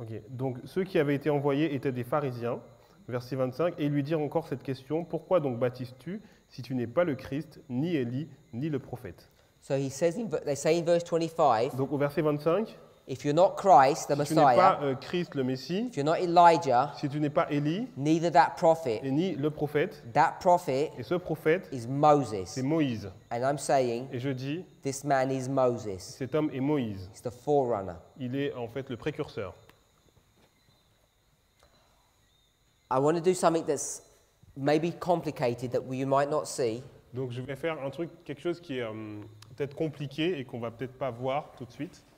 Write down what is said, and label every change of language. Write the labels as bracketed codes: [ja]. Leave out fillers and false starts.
[fr] Donc ceux qui avaient été envoyés étaient des pharisiens. Verset 25, et ils lui dirent encore cette question, pourquoi donc baptises-tu si tu n'es pas le Christ, ni Élie, ni le prophète? [en] So he says in, they say in verse 25. [fr] Donc au verset 25. [en] If you're not Christ, the [fr] si [en] Messiah, [fr] tu n'es pas Christ, le Messie, [en] if you're not Elijah, [fr] si tu n'es pas Élie, [en] neither that prophet, [fr] et ni le prophète, [en] that prophet [fr] et ce prophète [en] is Moses. [fr] C'est Moïse. [en] And I'm saying, [fr] et je dis, [en] this man is Moses. [fr] Cet homme est Moïse. [en] He's the forerunner. [fr] Il est en fait le précurseur. [en] I want to do something that's maybe complicated that you might not see. [fr] Donc je vais faire un truc, quelque chose qui est peut-être compliqué et qu'on ne va peut-être pas voir tout de suite.